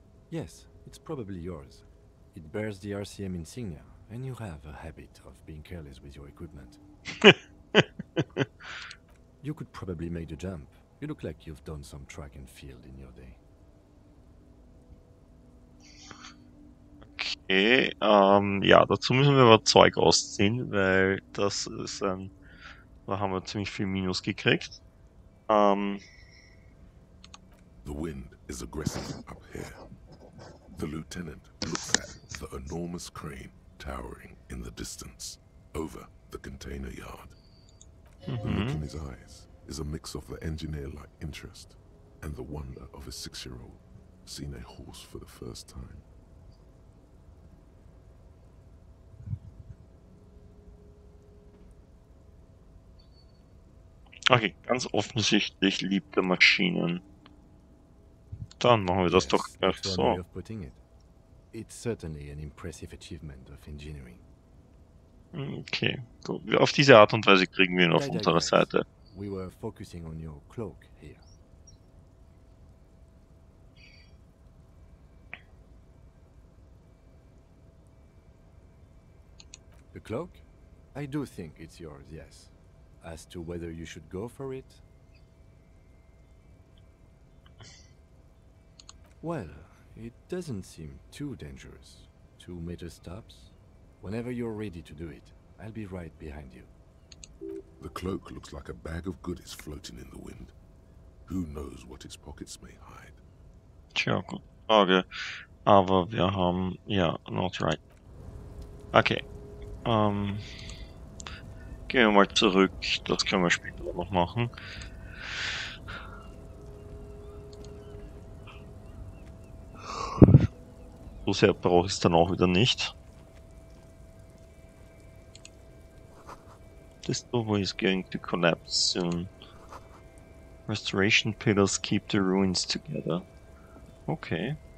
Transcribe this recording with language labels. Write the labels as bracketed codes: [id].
[en] Yes, it's probably yours. It bears the RCM insignia, and you have a habit of being careless with your equipment. You could probably make the jump. You look like you've done some track and field in your day. [de] Okay, ja, dazu müssen wir aber Zeug ausziehen, weil das ist ein. Da haben wir ziemlich viel Minus gekriegt. [en] The wind is aggressive up here. The lieutenant looks at the enormous crane towering in the distance over the container yard. The look in his eyes is a mix of the engineer-like interest and the wonder of a six-year-old seeing a horse for the first time. [de] Okay, ganz offensichtlich liebt er Maschinen. Dann machen wir das doch gleich so. [en] It's certainly an impressive achievement of engineering. Okay. [de] Auf diese Art und Weise kriegen wir ihn auf unsere Seite. [en] We were focusing on your cloak here. The cloak? I do think it's yours, yes. As to whether you should go for it. Well, it doesn't seem too dangerous. 2 meter stops. Whenever you're ready to do it, I'll be right behind you. The cloak looks like a bag of goodies floating in the wind. Who knows what its pockets may hide. [de] Tja, gute Frage. Aber wir haben... Ja, [en] not right. [de] Okay. Gehen wir mal zurück. Das können wir später noch machen. So sehr brauche ich es dann auch wieder nicht. [en] This door is going to collapse soon. Restoration pillars keep the ruins together. Okay.